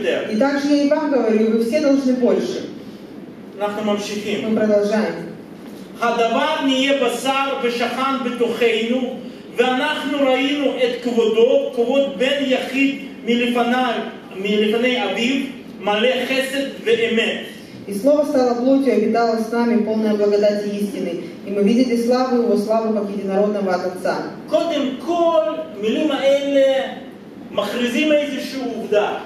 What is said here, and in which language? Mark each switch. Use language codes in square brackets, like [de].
[ru] И также я и вам говорю, вы все должны больше. Мы продолжаем. [he] הדבר נהיה בשר ושכן בתוכנו, ואנחנו ראינו את כבודו, כבוד בן יחיד מלפני אביו, מלא חסד ואמת. [ru] И слово стало плотью, обитало с нами, полное благодати и истины. И мы видели славу его, славу как единородного от Отца. [he] קודם כל, מילים האלה מכריזים איזשהו עובדה.